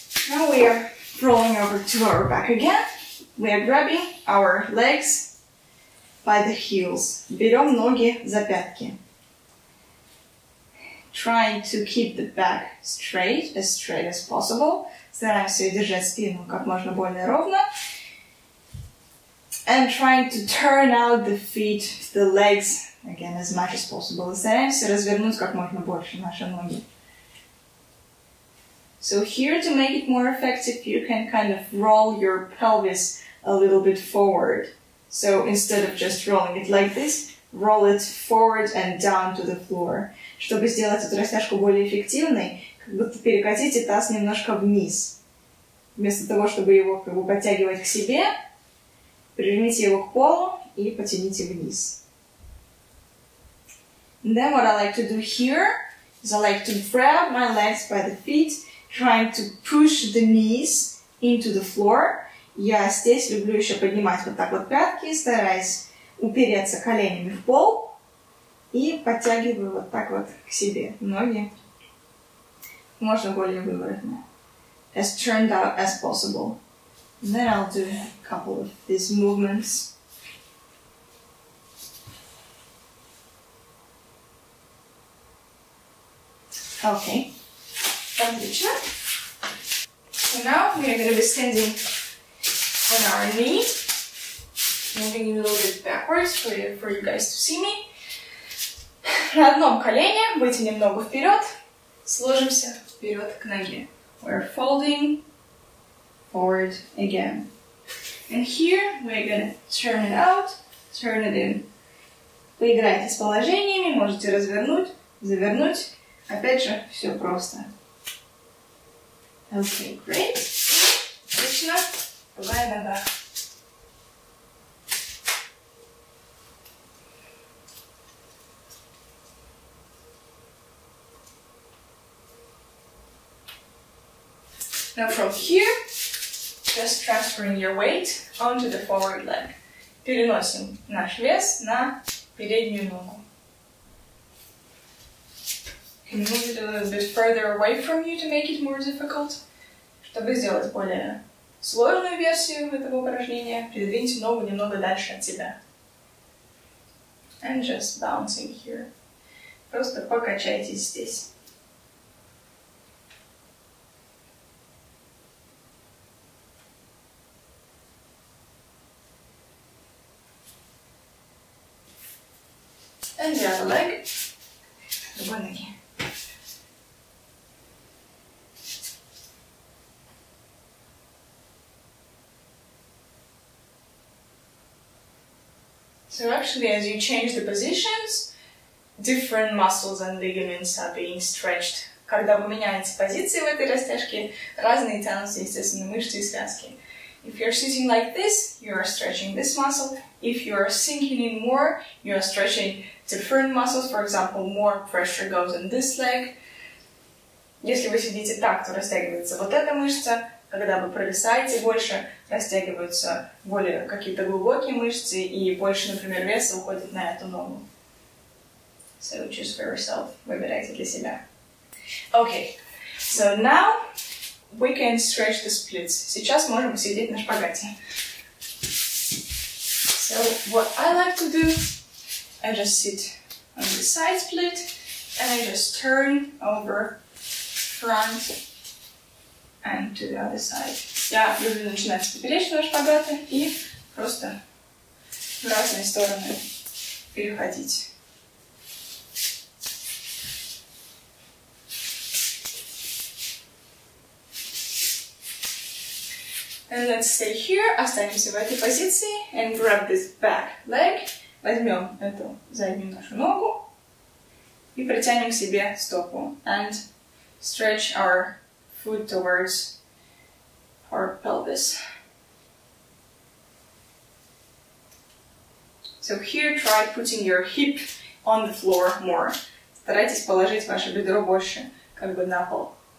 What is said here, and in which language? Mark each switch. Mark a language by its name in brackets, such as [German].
[English] Now we are rolling over to our back again. We are grabbing our legs by the heels. [Russian] Берем ноги за пятки. [English] Trying to keep the back straight as possible. [Russian] Стараемся держать спину как можно более ровно. [English] And trying to turn out the feet, the legs, again, as much as possible. Стараемся развернуть как можно больше наши ноги. So here, to make it more effective, you can kind of roll your pelvis a little bit forward. So instead of just rolling it like this, roll it forward and down to the floor. [Russian] Чтобы сделать эту растяжку более эффективной, как будто перекатите таз немножко вниз. Вместо того, чтобы его как бы подтягивать к себе, прижмите его к полу и потяните вниз. [English] And then what I like to do here is I like to grab my legs by the feet, trying to push the knees into the floor. [Russian] Я здесь люблю еще поднимать вот так вот пятки, стараясь упереться коленями в пол и подтягиваю вот так вот к себе ноги. Можно более выворотно. [English] As turned out as possible. And then I'll do a couple of these movements. Okay. So now we are going to be standing on our knee, moving a little bit backwards for you guys to see me. [Russian] На одном колене, вытянем ногу вперед, сложимся вперед к ноге. [English] We're folding forward again. And here we're going to turn it out, turn it in. [Russian] Поиграйте с положениями, можете развернуть, завернуть. Опять же, все просто. [English] Okay, great. [Russian] Отлично. Другая нога. [English] Now from here, just transferring your weight onto the forward leg. [Russian] Переносим наш вес на переднюю ногу. [English] Move it a little bit further away from you to make it more difficult. [Russian] Чтобы сделать более сложную версию этого упражнения, передвиньте ногу немного дальше от себя. [English] And just bouncing here. [Russian] Просто покачайтесь здесь. [English] And the other leg. [Russian] Другой ноги. [English] So actually, as you change the positions, different muscles and ligaments are being stretched. [Russian] Когда вы меняете позиции в этой растяжке, разные тонусы, естественно, мышцы и связки. [English] If you're sitting like this, you are stretching this muscle. If you are sinking in more, you are stretching different muscles. For example, more pressure goes in this leg. [Russian] Если вы сидите так, то растягивается вот эта мышца. Когда вы провисаете больше, растягиваются более какие-то глубокие мышцы, и больше, например, веса уходит на эту ногу. [English] So choose for yourself. [Russian] Выбирайте для себя. [English] Okay, so now we can stretch the splits. [Russian] Сейчас можем сидеть на шпагате. [English] So what I like to do, I just sit on the side split, and I just turn over front. And to the other side. [Russian] Я люблю начинать с поперечного шпагата и просто в разные стороны переходить. [English] And let's stay here. [Russian] Останемся в этой позиции. [English] And grab this back leg. [Russian] Возьмем эту заднюю нашу ногу. И притянем к себе стопу. [English] And stretch our foot towards our pelvis. So here, try putting your hip on the floor more. [Russian] Старайтесь положить ваше бедро больше, как бы на пол.